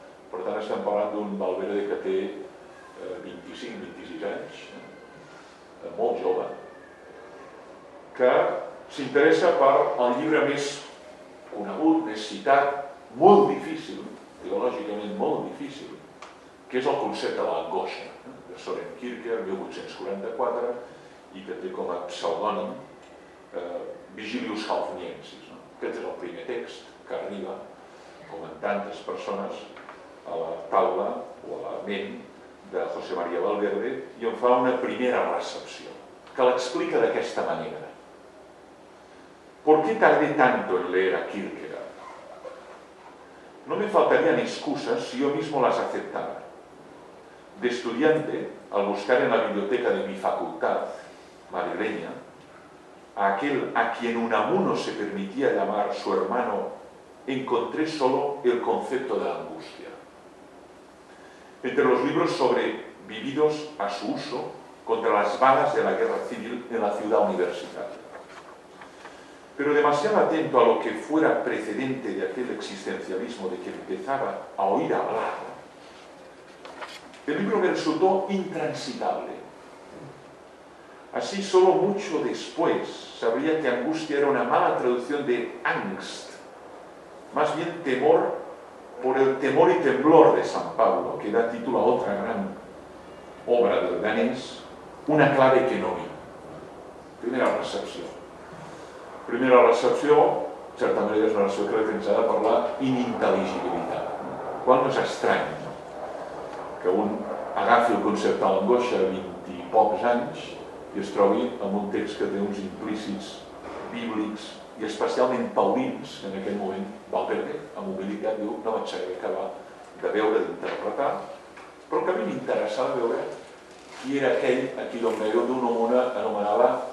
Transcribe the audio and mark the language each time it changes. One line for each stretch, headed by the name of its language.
Catalan: Per tant, estem parlant d'un Valverde que té 25-26 anys, molt jove, que s'interessa per el llibre més conegut, més citat, molt difícil, teològicament molt difícil, que és el concepte de l'angoixa, de Soren Kierkegaard, 1844, i que té com a pseudònim Vigilius Halfniensis. No? Aquest és el primer text que arriba, com en tantes persones, a la taula o a la ment de José María Valverde, i on fa una primera recepció, que l'explica d'aquesta manera.
Spanish: ¿Por qué tardé tanto en leer a Kierkegaard? No me faltarían excusas si yo mismo las aceptara. De estudiante, al buscar en la biblioteca de mi facultad madrileña a aquel a quien Unamuno se permitía llamar su hermano, encontré solo el concepto de angustia. Entre los libros sobre vividos a su uso contra las balas de la guerra civil en la ciudad universitaria. Pero demasiado atento a lo que fuera precedente de aquel existencialismo de que empezaba a oír hablar, el libro me resultó intransitable. Así, solo mucho después, sabría que angustia era una mala traducción de angst, más bien temor, por el temor y temblor de San Pablo, que da título a otra gran obra del danés, Una clave que no vi. Primera recepción.
Catalan: Primera recepció, certament és una recepció caracteritzada per la inintel·ligibilitat. Quan no és estrany que un agafi el concepte de l'angoixa a 20 i pocs anys i es trobi amb un text que té uns implícits bíblics i especialment paulins, que en aquest moment Valverde, amb humilitat, diu, no vaig saber acabar de veure, d'interpretar, però que a mi m'interessava veure qui era aquell a qui Don Miguel de Unamuno anomenava